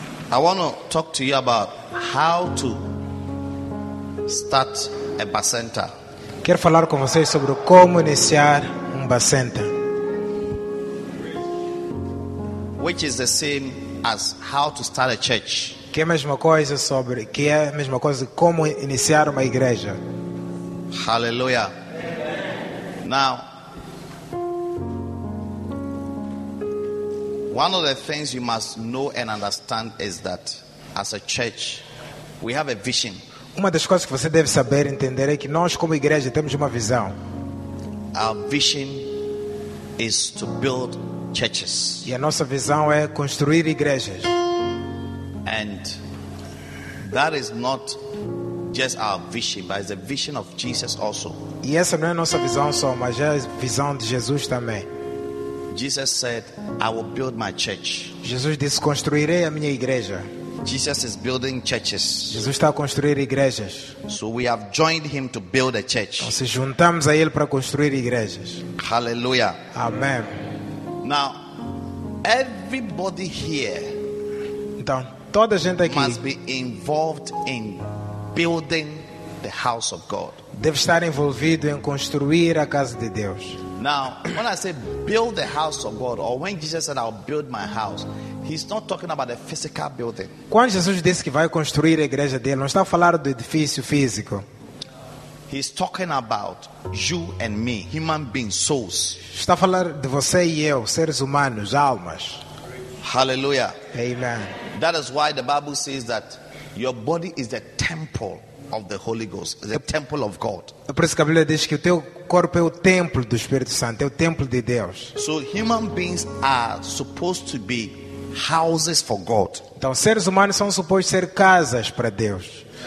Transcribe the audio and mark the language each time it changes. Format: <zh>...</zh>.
<en>I want to talk to you about how to start a Bacenta.</en> <pt>Quero falar com vocês sobre como iniciar Bacenta.</pt> <en>Which is the same as how to start a church.</en> <pt>Que é a mesma coisa sobre que é a mesma coisa de como iniciar uma igreja.</pt> <en>Hallelujah. Now, one of the things you must know and understand is that as a church, we have a vision.</en> <pt>Uma das coisas que você deve saber e entender é que nós como igreja temos uma visão.</pt> <en>Our vision is to build churches.</en> <pt>E a nossa visão é construir igrejas.</pt> <en>And that is not just our vision, but it's the vision of Jesus also.</en> <pt>E essa não é a nossa visão só, mas é a visão de Jesus também.</pt> <en>Jesus said, I will build my church.</en> <pt>Jesus disse, construirei a minha igreja.</pt> <en>Jesus is building churches.</en> <pt>Jesus está a construir igrejas.</pt> <en>So we have joined him to build a church.</en> <pt>Nós nos juntamos a ele para construir igrejas.</pt> <en>Hallelujah.</en> <pt>Amém.</pt> <en>Now, everybody here.</en> <pt>Então, toda a gente aqui</pt> <en>must be involved in building the house of God.</en> <pt>Deve estar envolvido em construir a casa de Deus.</pt> <en>Now, when I say build the house of God, or when Jesus said I'll build my house, he's not talking about a physical building.</en> <pt>Quando Jesus disse que vai construir a igreja dele, não está a falar do edifício físico.</pt> <en>He's talking about you and me, human beings, souls.</en> <pt>Está a falar de você e eu, seres humanos, almas.</pt> <en>Hallelujah. Amen. That is why the Bible says that your body is the temple of the Holy Ghost, the temple of God.</en> <pt>É por isso que a Bíblia diz que o teu corpo é o templo do Espírito Santo, é o templo de Deus.</pt> <en>So human beings are supposed to be houses for God.</en> <pt>Então seres humanos são supostos ser casas para Deus.</pt>